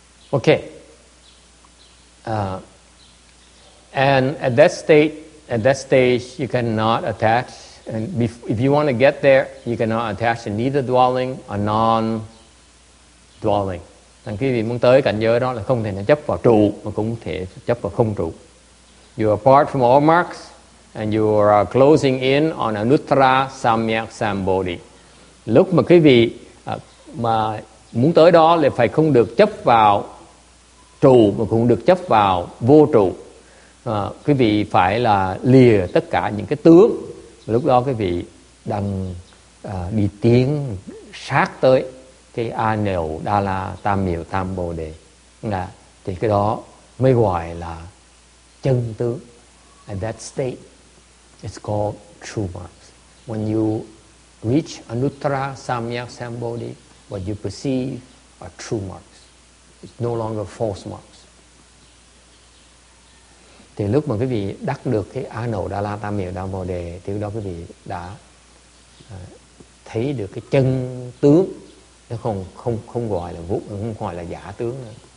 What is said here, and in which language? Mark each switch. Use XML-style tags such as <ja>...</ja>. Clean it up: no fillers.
<en>Okay. And at that state, at that stage, you cannot attach. And if you want to get there, you cannot attach to neither dwelling or non-dwelling.</en> <vi>Thằng khi vị muốn tới cảnh giới đó là không thể chấp vào trụ mà cũng thể chấp vào không trụ.</vi> <en>You are apart from all marks and you are closing in on anuttara samyak sambodhi.</en> <vi>Lúc mà quý vị mà muốn tới đó là phải không được chấp vào trụ mà cũng được chấp vào vô trụ. Quý vị phải là lìa tất cả những cái tướng. Lúc đó quý vị đang đi tiến sát tới cái a nều đa la tam miểu tam bồ đề, là thì cái đó mới gọi là chân tướng.</vi> <en>And that state is called true marks. When you reach anuttara samyak sambodhi, what you perceive are true marks. It's no longer false marks.</en> <vi>Thì lúc mà quý vị đắc được cái a nều đa la tam miểu tam bồ đề, thì lúc đó quý vị đã thấy được cái chân tướng. Nó không không không gọi là vũ, không gọi là giả tướng nữa.</vi>